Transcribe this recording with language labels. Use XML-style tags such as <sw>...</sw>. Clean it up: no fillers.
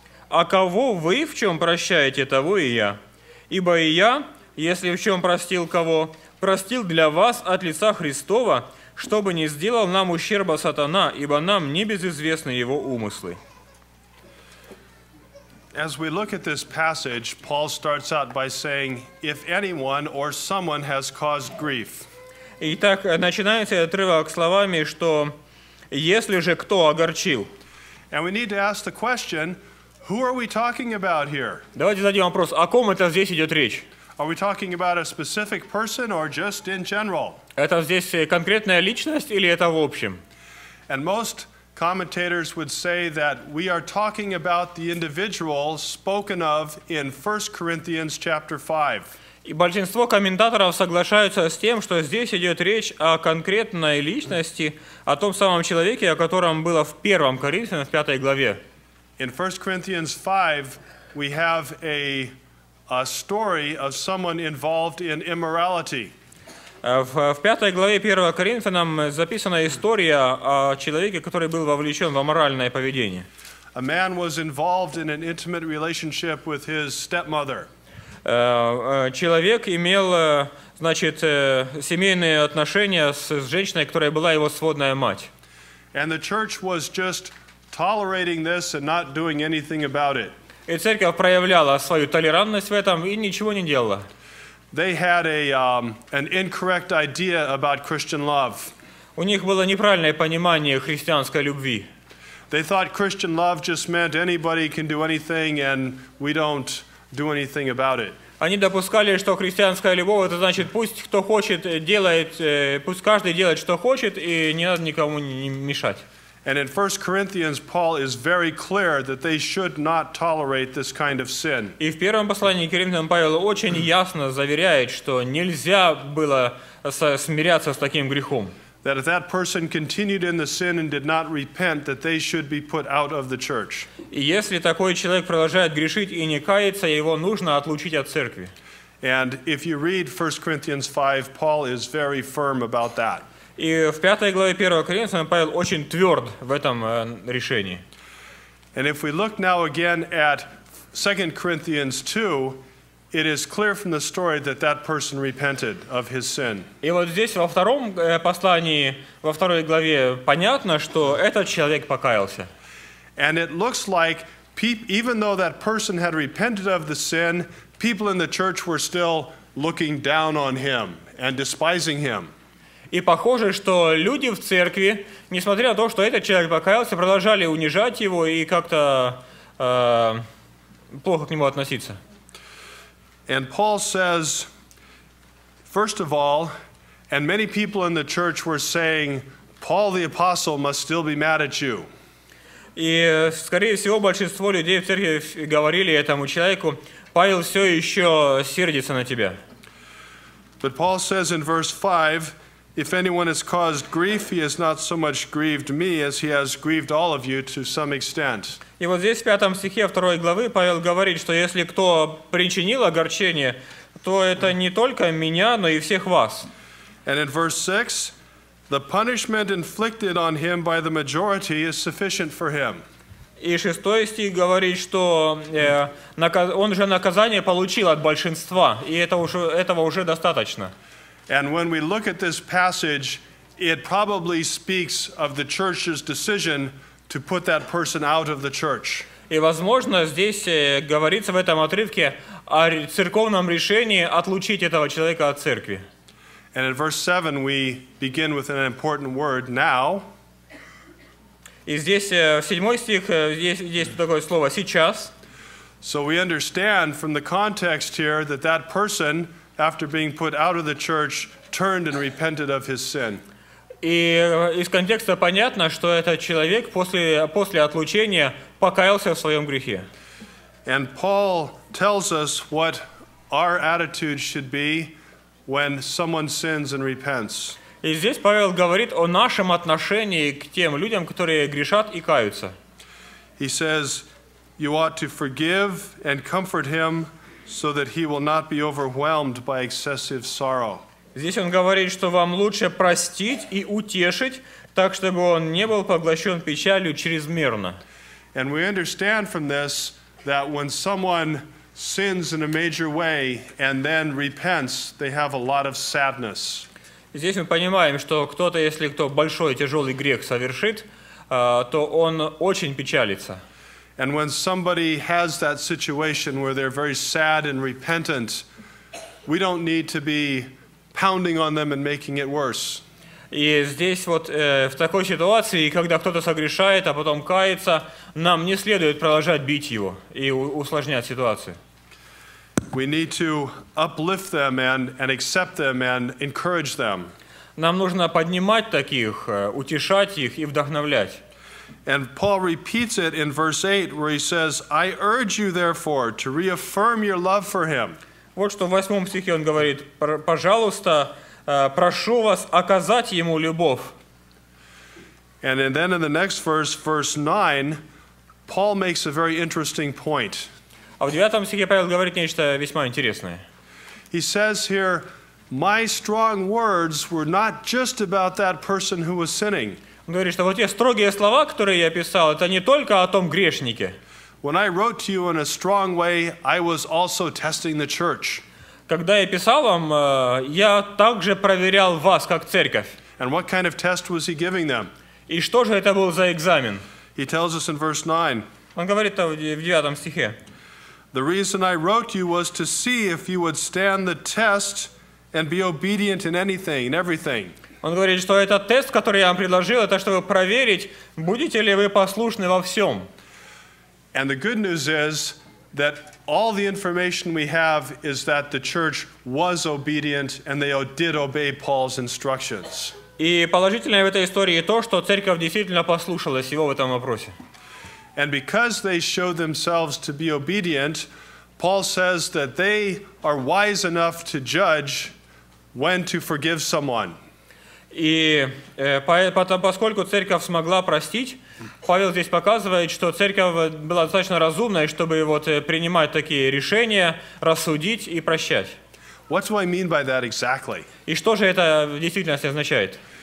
<ru>А кого вы в чем прощаете, того и я. Ибо и я, если в чем простил кого, простил для вас от лица Христова, чтобы не сделал нам ущерба сатана, ибо нам не безызвестны его умыслы.</ru> <en>As we look at this passage, Paul starts out by saying, if anyone or someone has caused grief.</en> <ru>Итак, начинается отрывок словами, что если же кто огорчил.</ru> <en>And we need to ask the question, who are we talking about here?</en> <ru>Давайте зададим вопрос, о ком это здесь идет речь?</ru> <en>Are we talking about a specific person or just in general?</en> <ru>Это здесь конкретная личность или это в общем?</ru> <en>And most commentators would say that we are talking about the individual spoken of in 1 Corinthians chapter 5.</en> <ru>И большинство комментаторов соглашаются с тем, что здесь идет речь о конкретной личности, о том самом человеке, о котором было в 1 Коринфянам, в 5 главе.</ru> <en>In 1 Corinthians 5, we have a story of someone involved in immorality.</en> <ru>В пятой главе 1 Коринфянам записана история о человеке, который был вовлечен в аморальное поведение.</ru> <en>A man was involved in an intimate relationship with his stepmother.</en> <ru>Человек имел, значит, семейные отношения с женщиной, которая была его сводная мать.</ru> <en>And the church was just tolerating this and not doing anything about it.</en> <ru>И церковь проявляла свою толерантность в этом и ничего не делала.</ru> <en>They had an incorrect idea about Christian love.</en> <ru>У них было неправильное понимание христианской любви.</ru> <en>They thought Christian love just meant anybody can do anything and we don't do anything about it.</en> <ru>Они допускали, что христианская любовь это значит пусть кто хочет делает, пусть каждый делает что хочет и не надо никому не мешать.</ru> <en>And in 1 Corinthians, Paul is very clear that they should not tolerate this kind of sin.</en> <ru>И в первом послании к Коринфянам Павел очень ясно заверяет, что нельзя было смиряться с таким грехом.</ru> <en>that if that person continued in the sin and did not repent, that they should be put out of the church.</en> <ru>Если такой человек продолжает грешить и не каяться, его нужно отлучить от церкви.</ru> <en>And if you read 1 Corinthians 5, Paul is very firm about that.</en> <ru>И в 5 главе 1 Коринфянам Павел очень тверд в этом решении.</ru> <en>And if we look now again at 2 Corinthians 2, it is clear from the story that that person repented of his sin.</en> <ru>И вот здесь во втором послании, во второй главе понятно, что этот человек покаялся.</ru> <en>And it looks like even though that person had repented of the sin, people in the church were still looking down on him and despising him.</en> <ru>И похоже, что люди в церкви, несмотря на то, что этот человек покаялся, продолжали унижать его и как-то плохо к нему относиться.</ru> <en>And Paul says, first of all, and many people in the church were saying, Paul the apostle must still be mad at you.</en> <ru>И, скорее всего, большинство людей в церкви говорили этому человеку, Павел все еще сердится на тебя.</ru> <en>But Paul says in verse 5, if anyone has caused grief, he has not so much grieved me as he has grieved all of you to some extent.</en> <ru>И вот здесь в 5 стихе 2 главы Павел говорит, что если кто причинил огорчение, то это не только меня, но и всех вас.</ru> <en>And in verse 6, the punishment inflicted on him by the majority is sufficient for him.</en> <ru>И 6 стих говорит, что он же наказание получил от большинства, и этого уже достаточно.</ru> <en>And when we look at this passage, it probably speaks of the church's decision to put that person out of the church.</en> <ru>И возможно, здесь говорится в этом отрывке о церковном решении отлучить этого человека от церкви.</ru> <en>And in verse 7 we begin with an important word now.</en> <ru>И здесь в 7 стих есть такое слово сейчас.</ru> <en>So we understand from the context here that that person, after being put out of the church, turned and repented of his sin.</en> <ru>И из контекста понятно, что этот человек после отлучения покаялся в своем грехе.</ru> <en>And Paul tells us what our attitude should be when someone sins and repents.</en> <ru>И здесь Павел говорит о нашем отношении к тем людям, которые грешат и каются.</ru> <en>He says, you ought to forgive and comfort him, so that he will not be overwhelmed by excessive sorrow.</en> <ru>Здесь он говорит, что вам лучше простить и утешить, так чтобы он не был поглощен печалью чрезмерно.</ru> <en>And we understand from this that when someone sins in a major way and then repents, they have a lot of sadness.</en> <ru>Здесь мы понимаем, что кто-то, если кто большой тяжелый грех совершит, то он очень печалится.</ru> <en>And when somebody has that situation where they're very sad and repentant, we don't need to be pounding on them and making it worse.</en> <ru>И здесь вот в такой ситуации, когда кто-то согрешает, а потом кается, нам не следует продолжать бить его и усложнять ситуацию.</ru> <en>We need to uplift them and accept them and encourage them.</en> <ru>Нам нужно поднимать таких, утешать их и вдохновлять.</ru> <en>And Paul repeats it in verse 8, where he says, I urge you, therefore, to reaffirm your love for him.</en> <ru>Вот что в 8 стихе он говорит, пожалуйста, прошу вас оказать ему любовь.</ru> <en>And then in the next verse, verse 9, Paul makes a very interesting point.</en> <ru>А в 9 стихе Павел говорит нечто весьма интересное.</ru> <en>He says here, my strong words were not just about that person who was sinning.</en> <ru>Он говорит, что вот те строгие слова, которые я писал, это не только о том грешнике.</ru> <en>When I wrote to you in a strong way, I was also testing the church.</en> <ru>Когда я писал вам, я также проверял вас, как церковь.</ru> <en>And what kind of test was he giving them?</en> <ru>И что же это был за экзамен?</ru> <en>He tells us in verse 9.</en> <ru>Он говорит это в 9 стихе.</ru> <en>The reason I wrote you was to see if you would stand the test and be obedient in anything, in everything.</en> <ru>Он говорит, что этот тест, который я вам предложил, это чтобы проверить, будете ли вы послушны во всем.</ru> <en>And the good news is that all the information we have is that the church was obedient and they did obey Paul's instructions.</en> <ru>И положительное в этой истории то, что церковь действительно послушалась его в этом вопросе.</ru> <en>And because they showed themselves to be obedient, Paul says that they are wise enough to judge when to forgive someone.</en> <ru>И поскольку церковь смогла простить, Павел здесь показывает, что церковь была достаточно разумной, чтобы вот принимать такие решения, рассудить и прощать.</ru> <en>What do I mean by that exactly?</en> <ru>И что же это в действительности означает?</ru>